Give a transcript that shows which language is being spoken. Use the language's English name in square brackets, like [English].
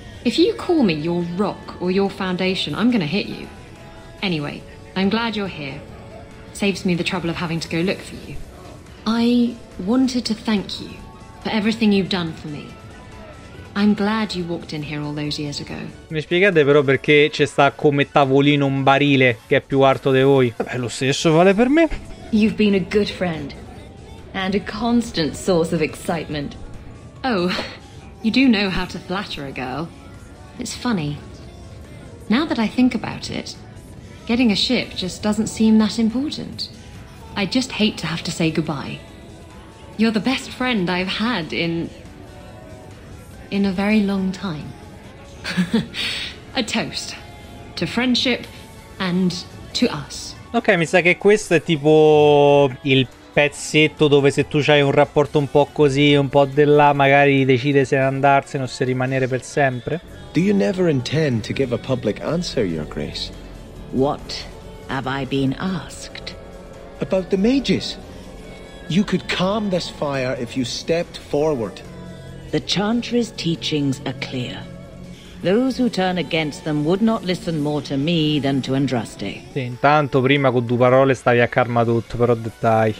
[English] If you call me your rock or your foundation, I'm gonna hit you. Anyway, I'm glad you're here. Saves me the trouble of having to go look for you. I wanted to thank you for everything you've done for me. I'm glad you walked in here all those years ago. [Italian] Mi spiegate però perché c'è sta come tavolino un barile che è più alto di voi? Beh, lo stesso vale per me. [English] You've been a good friend and a constant source of excitement. Oh, you do know how to flatter a girl. It's funny. Now that I think about it, getting a ship just doesn't seem that important. I just hate to have to say goodbye. You're the best friend I've had in a very long time. A toast to friendship and to us. [Italian] Ok, mi sa che questo è tipo il pezzetto dove se tu c'hai un rapporto un po' così, un po' di là, magari decide se andarsene o se rimanere per sempre. [English] Do you never intend to give a public answer, Your Grace? What have I been asked? About the mages. You could calm this fire if you stepped forward. The Chantry's teachings are clear. Those who turn against them would not listen more to me than to Andraste. [Italian] Sì, intanto prima con due parole stavi a calma tutto, però dettagli.